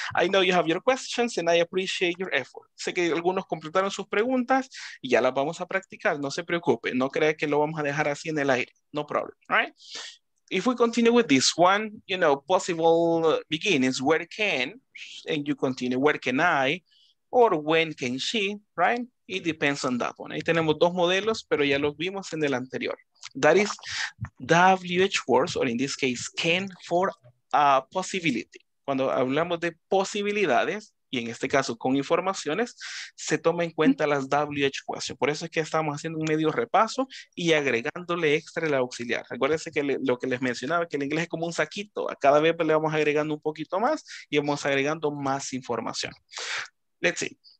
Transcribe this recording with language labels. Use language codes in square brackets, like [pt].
[en] I know you have your questions and I appreciate your effort. [es] Sé que algunos completaron sus preguntas y ya las vamos a practicar, no se preocupe. No crea que lo vamos a dejar así en el aire, [en] no problem, [es] right? [en] If we continue with this one, you know, possible beginnings, where can, and you continue, where can I, or when can she, right? It depends on that one. [es] Ahí tenemos dos modelos, pero ya los vimos en el anterior. [en] That is WH words, or in this case, can for a possibility. [es] Cuando hablamos de posibilidades, y en este caso con informaciones, se toma en cuenta las WH questions. Por eso es que estamos haciendo un medio repaso y agregándole extra el auxiliar. Acuérdense que lo que les mencionaba, que el inglés es como un saquito. A cada vez le vamos agregando un poquito más y vamos agregando más información. Let's see.